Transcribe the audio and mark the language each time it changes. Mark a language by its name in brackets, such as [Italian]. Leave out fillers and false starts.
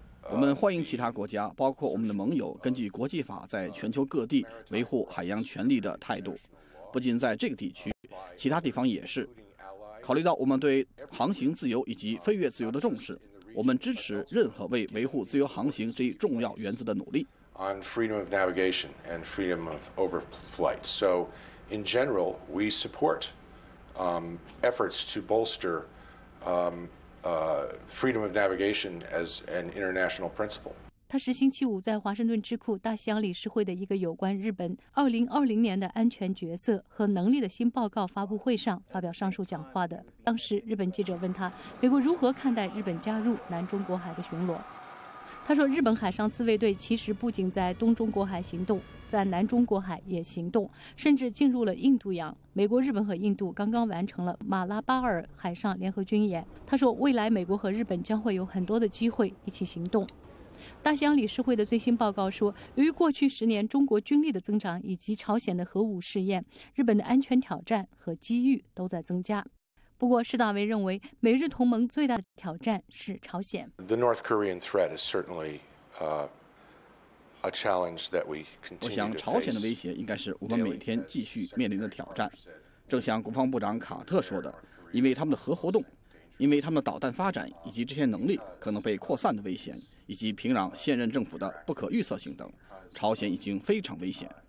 [Chinese] 我们欢迎其他国家，包括我们的盟友，根据国际法在全球各地维护海洋权利的态度，不仅在这个地区，其他地方也是。考虑到我们对航行自由以及飞越自由的重视，我们支持任何为维护自由航行这一重要原则的努力。 [English] On freedom of navigation and freedom of overflight. So, in general, we support efforts to bolster freedom of navigation as an international principle. [Chinese] 他十星期五在华盛顿智库大西洋理事会的一个有关日本2020年的安全角色和能力的新报告发布会上发表上述讲话的。当时，日本记者问他，美国如何看待日本加入南中国海的巡逻？他说，日本海上自卫队其实不仅在东中国海行动，在南中国海也行动，甚至进入了印度洋。美国、日本和印度刚刚完成了马拉巴尔海上联合军演。他说，未来美国和日本将会有很多的机会一起行动。大西洋理事会的最新报告说，由于过去10年中国军力的增长以及朝鲜的核武试验，日本的安全挑战和机遇都在增加。不过世大为认为美日同盟最大的挑战是朝鲜。 [English] The North Korean threat is certainly a challenge that we continue to face. [Chinese] 我想朝鲜的威胁应该是我们每天继续面临的挑战，正像国防部长卡特说的，因为他们的核活动，因为他们的导弹发展以及这些能力可能被扩散的危险，以及平壤现任政府的不可预测性等，朝鲜已经非常危险。